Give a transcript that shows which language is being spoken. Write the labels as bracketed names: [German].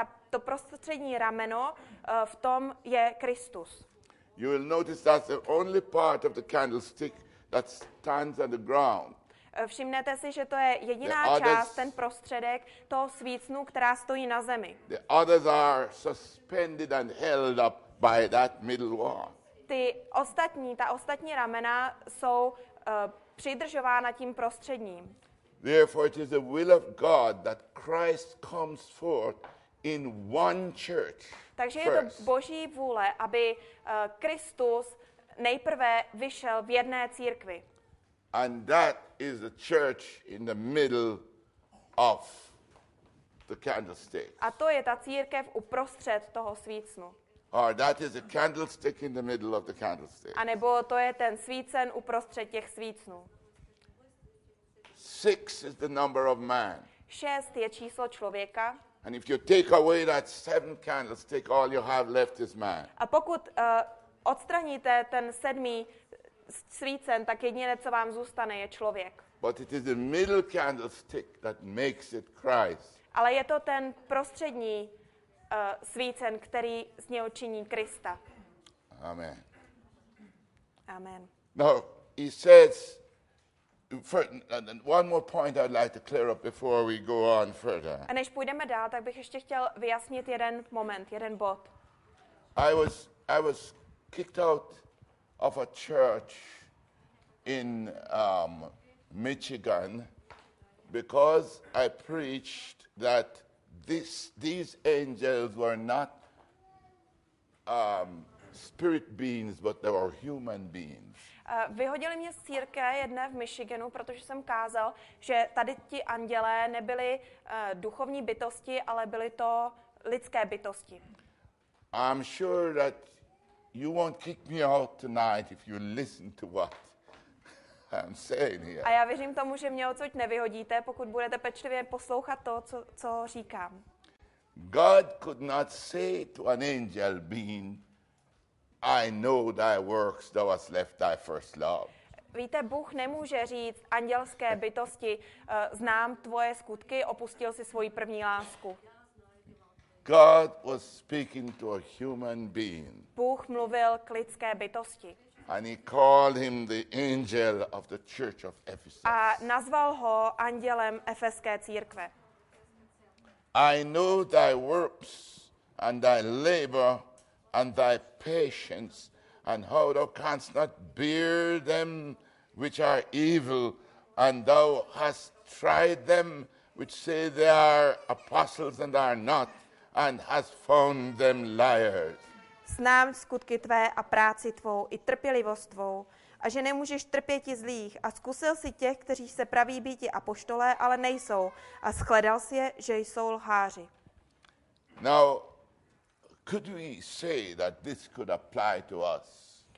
[Czech] To prostřední rameno, v tom je Kristus. [English] You will notice that's the only part of the candlestick that stands on the ground. [Czech] Všimnete si, že to je jediná část, ten prostředek toho svícnu, která stojí na zemi. [English] The others are suspended and held up by that middle one. [Czech] Ta ostatní ramena jsou přidržována tím prostředním. [English] Therefore it is the will of God that Christ comes forth in one church. [Czech] Takže je to Boží vůle, aby Kristus nejprve vyšel v jedné církvi. [English] And that is the church in the middle of the candlestick. [Czech] A to je ta církev uprostřed toho svícnu. [English] Or that is a candlestick in the middle of the candlestick. [Czech] A nebo to je ten svícen uprostřed těch svícnů. [English] Six is the number of man. [Czech] Šest je číslo člověka. [English] And if you take away that seven candlestick, all you have left is man. [Czech] A pokud odstraníte ten sedmý svícen, tak jediné, co vám zůstane, je člověk. [English] But it is the middle candlestick that makes it Christ. [Czech] Ale je to ten prostřední svícen, který z něho činí Krista. [English] Amen. [Czech] Amen. [English] Now, he says, one more point I'd like to clear up before we go on further. [Czech] A než půjdeme dál, tak bych ještě chtěl vyjasnit jeden moment, jeden bod. [English] I was kicked out of a church in Michigan because I preached that these angels were not spirit beings, but they were human beings. [Czech] Vyhodili mě z církve jedné v Michiganu, protože jsem kázal, že tady ti andělé nebyli duchovní bytosti, ale byly to lidské bytosti. [English] I'm sure that You won't kick me out tonight if you listen to what I'm saying here. [Czech] A já věřím tomu, že mě odsud nevyhodíte, pokud budete pečlivě poslouchat to, co říkám. [English] God could not say to an angel being, I know thy works, thou hast left thy first love. [Czech] Víte, Bůh nemůže říct andělské bytosti, znám tvoje skutky, opustil si svoji první lásku. [English] God was speaking to a human being. [Czech] Bůh mluvil k lidské bytosti. [English] And he called him the angel of the church of Ephesus. [Czech] A nazval ho andělem efeské církve. [English] I know thy works and thy labor and thy patience and how thou canst not bear them which are evil and thou hast tried them which say they are apostles and are not and hast found them liars. [Czech] Znám skutky tvé a práci tvou i trpělivost tvou a že nemůžeš trpěti zlých a zkusil si těch, kteří se praví býti apoštolé, ale nejsou a shledal si je, že jsou lháři. [English] Now, could we say that this could apply to us?